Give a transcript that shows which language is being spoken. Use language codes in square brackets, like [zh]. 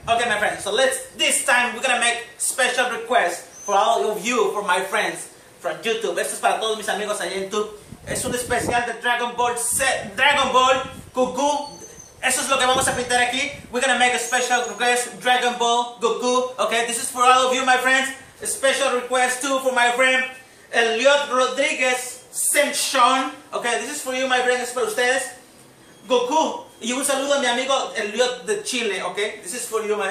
[en] Okay, my friends, so this time we're gonna make special requests for all of you, for my friends from YouTube. [es] Esto es para todos mis amigos allá en YouTube. Es un especial de Dragon Ball Set, Dragon Ball, Goku. Eso es lo que vamos a pintar aquí. [en] We're gonna make a special request, Dragon Ball, Goku. Okay, this is for all of you, my friends. A special request too for my friend, Elliot Rodriguez Saint Sean. Okay, this is for you, my friend, [es] es para ustedes. [en] Goku, [es] y un saludo a mi amigo Elliot de Chile, [en] okay? This is for you, man.